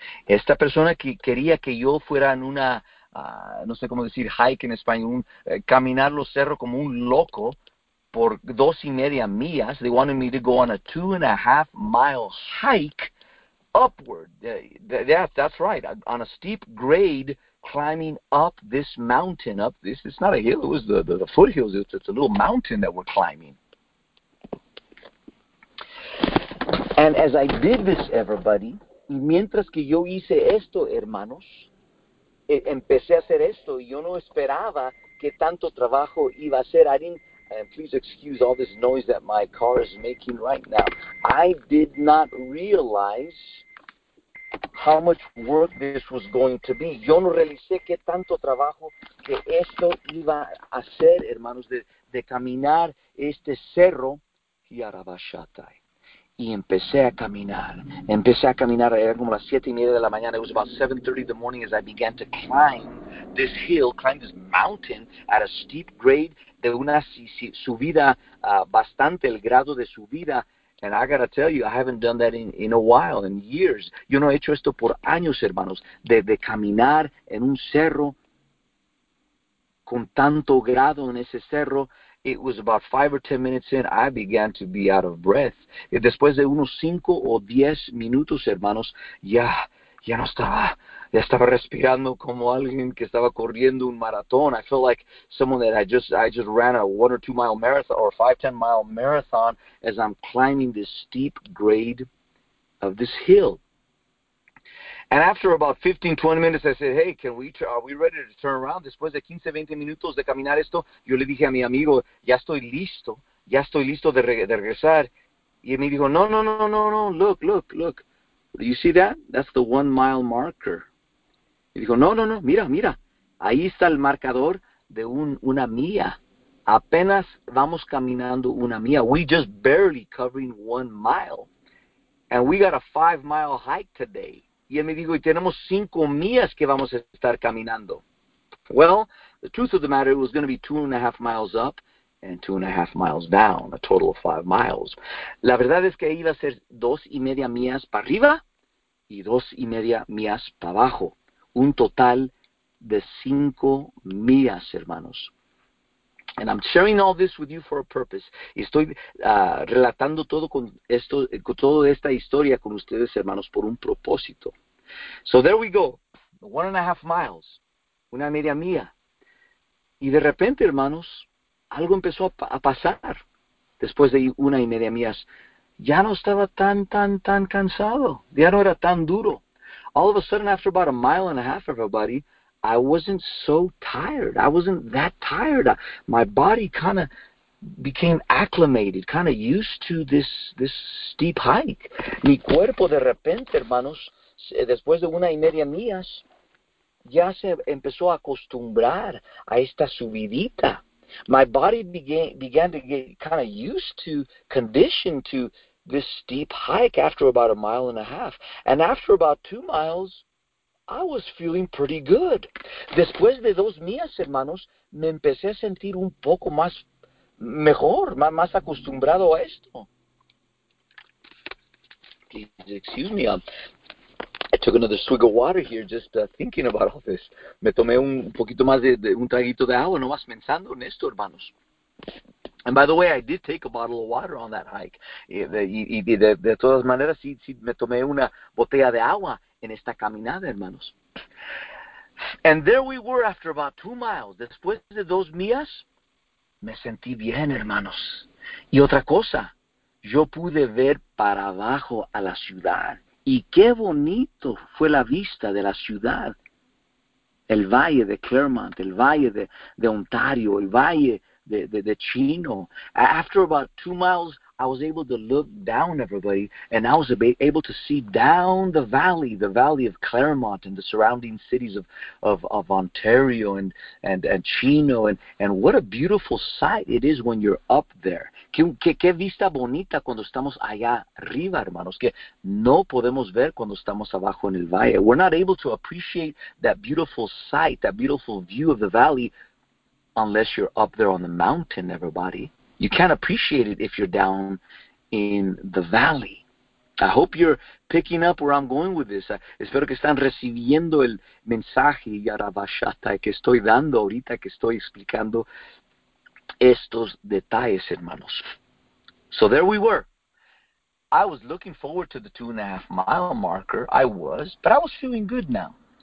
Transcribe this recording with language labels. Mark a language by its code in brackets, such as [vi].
[es] Esta persona que quería que yo fuera en una, no sé cómo decir, hike en español, caminar los cerros como un loco, por 2.5 millas, [en] they wanted me to go on a 2.5 mile hike upward. That's right, on a steep grade, climbing up this mountain. Up this, it's not a hill, it was the foothills. It's a little mountain that we're climbing. And as I did this, everybody, [es] y mientras que yo hice esto, hermanos, empecé a hacer esto, y yo no esperaba que tanto trabajo iba a ser. [en] And please excuse all this noise that my car is making right now. I did not realize how much work this was going to be. [es] Yo no realicé qué tanto trabajo que esto iba a hacer, hermanos, de caminar este cerro. Y empecé a caminar. Era como las 7:30 de la mañana. [en] It was about 7:30 in the morning as I began to climb this mountain at a steep grade. [es] De una subida, bastante el grado de subida. [en] And I gotta tell you, I haven't done that in a while, in years. [es] Yo no he hecho esto por años, hermanos, de caminar en un cerro con tanto grado en ese cerro, [en] it was about 5 or 10 minutes in, I began to be out of breath. [es] Y después de unos 5 o 10 minutos, hermanos, ya no estaba, ya estaba respirando como alguien que estaba corriendo un maratón. [en] I felt like someone that I just ran a 1 or 2 mile marathon or 5-10 mile marathon as I'm climbing this steep grade of this hill. And after about 15, 20 minutes, I said, hey, are we ready to turn around? [es] Después de 15, 20 minutos de caminar esto, yo le dije a mi amigo, ya estoy listo de regresar. Y él me dijo, no, [en] look. Do you see that? That's the 1 mile marker. [es] Y dijo, no, mira, ahí está el marcador de una milla. Apenas vamos caminando una milla. [en] We just barely covering 1 mile. And we got a 5 mile hike today. [es] Y él me dijo, y tenemos 5 millas que vamos a estar caminando. [en] Well, the truth of the matter, it was going to be 2.5 miles up and 2.5 miles down, a total of 5 miles. [es] La verdad es que iba a ser 2.5 millas para arriba y 2.5 millas para abajo. Un total de 5 millas, hermanos. [en] And I'm sharing all this with you for a purpose. [es] Estoy relatando todo con esto, con toda esta historia con ustedes, hermanos, por un propósito. [en] So there we go. 1.5 miles. [es] Una media mía. Y de repente, hermanos, algo empezó a pasar. Después de 1.5 millas, ya no estaba tan cansado. Ya no era tan duro. [en] All of a sudden, after about 1.5 miles, everybody, I wasn't so tired. I wasn't that tired. My body kind of became acclimated, kind of used to this steep hike. [es] Mi cuerpo de repente, hermanos, después de 1.5 millas, ya se empezó a acostumbrar a esta subidita. [en] My body began to get kind of conditioned to this steep hike after about 1.5 miles. And after about 2 miles, I was feeling pretty good. [es] Después de 2 millas, hermanos, me empecé a sentir un poco más mejor, más acostumbrado a esto. [en] Please excuse me. I took another swig of water here just thinking about all this. [es] Me tomé un poquito más de un traguito de agua, nomás pensando en esto, hermanos. [en] And by the way, I did take a bottle of water on that hike. [es] De todas maneras, sí me tomé una botella de agua en esta caminada, hermanos. [en] And there we were after about 2 miles. [es] Después de 2 millas, me sentí bien, hermanos. Y otra cosa, yo pude ver para abajo a la ciudad. Y qué bonito fue la vista de la ciudad. El valle de Claremont, el valle de Ontario, el valle de Chino. [en] After about 2 miles, I was able to look down, everybody, and I was able to see down the valley of Claremont and the surrounding cities of Ontario and Chino. And what a beautiful sight it is when you're up there. [es] Qué vista bonita cuando estamos allá arriba, hermanos, que no podemos ver cuando estamos abajo en el valle. [en] We're not able to appreciate that beautiful sight, that beautiful view of the valley, unless you're up there on the mountain, everybody. You can't appreciate it if you're down in the valley. I hope you're picking up where I'm going with this. [es] Espero que están recibiendo el mensaje y arabashata que estoy dando ahorita, que estoy explicando estos detalles, hermanos. [en] So there we were. I was looking forward to the 2.5 mile marker. I was, but I was feeling good now.